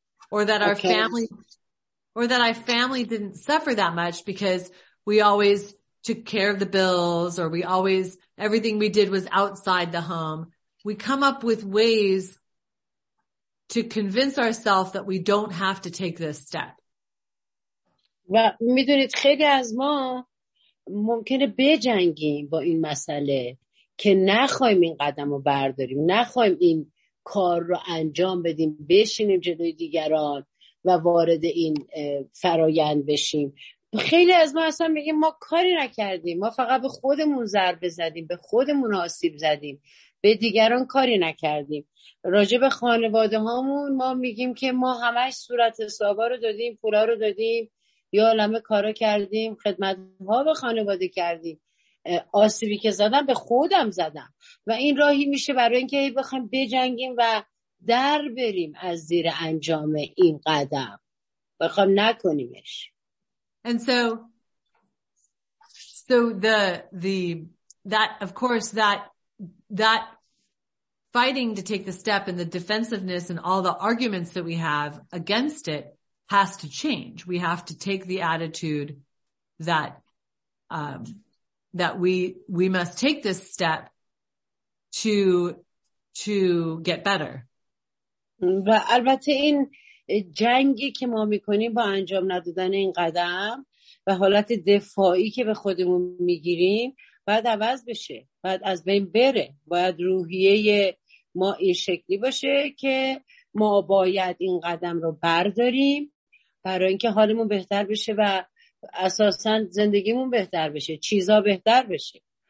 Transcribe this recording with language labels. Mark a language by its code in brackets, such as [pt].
[en] Or that our family, or that our family didn't suffer that much because we always took care of the bills, or everything we did was outside the home. We come up with ways to convince ourselves that we don't have to take this step. [fa] و میدونید خیلی از ما ممکنه بجنگیم با این مسئله که نخواهیم این قدم رو برداریم، نخواهیم این کار رو انجام بدیم، بشینیم جلوی دیگران و وارد این فرایند بشیم. خیلی از ما اصلا میگیم ما کاری نکردیم، ما فقط به خودمون ضربه زدیم، به خودمون آسیب زدیم، به دیگران کاری نکردیم. راجع به خانواده هامون ما میگیم که ما همش صورت حسابا رو دادیم، پولا رو دادیم، یا عالمه کارا کردیم، خدمت ها به خانواده کردیم، آسیبی که زدم به خودم زدم. و این راهی میشه برای اینکه بخوایم بجنگیم و در بریم از زیر انجام این قدم، بخوایم نکنیمش. [en] And so the that of course that fighting to take the step and the defensiveness and all the arguments that we have against it has to change. We have to take the attitude that that we must take this step to get better. [fa] و البته این جنگی که ما میکنیم با انجام ندادن این قدم و حالت دفاعی که به خودمون میگیریم باید عوض بشه، باید از بین بره، باید روحیه ما این شکلی باشه که ما باید این قدم رو برداریم برای اینکه حالمون بهتر بشه و اساساً زندگیمون بهتر بشه، چیزا بهتر بشه.